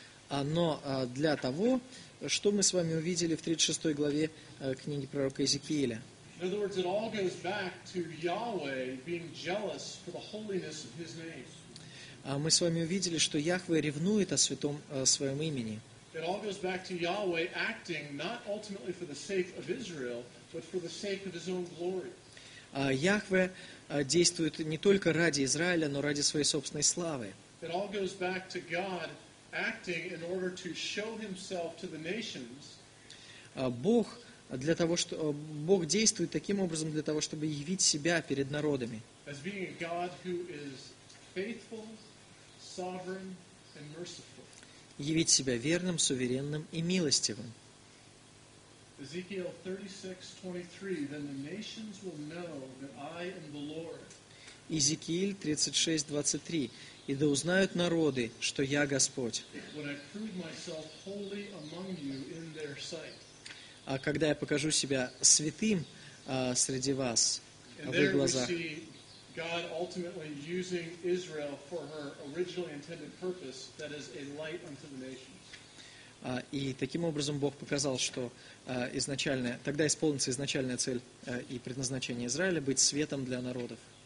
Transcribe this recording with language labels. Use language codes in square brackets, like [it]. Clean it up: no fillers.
[ru] Но для того, что мы с вами увидели в 36 главе книги пророка Иезекииля. [en] In other words, it all goes back to Yahweh being jealous for the holiness of His name. [ru] Мы с вами увидели, что Яхве ревнует о святом своем имени. [en] It all goes back to Yahweh acting not ultimately for the sake of Israel, but for the sake of His own glory. [ru] Яхве действует не только ради Израиля, но ради своей собственной славы. [en] It all goes back to God acting in order to show Himself to the nations. [ru] Бог действует таким образом для того, чтобы явить себя перед народами. [en] As being a God who is faithful, sovereign, and merciful. [ru] Явить себя верным, суверенным и милостивым. [en] Ezekiel 36:23, then the nations will know that I am the Lord. [ru] Иезекииль 36:23, и да узнают народы, что я Господь. [en] When I prove myself holy among you in their sight. [ru] А когда я покажу себя святым среди вас в их глазах. [en] And there we see God ultimately using Israel for her originally intended purpose, that is a light unto the nations. [ru] И таким образом Бог показал, что тогда исполнится изначальная цель и предназначение Израиля быть светом для народов.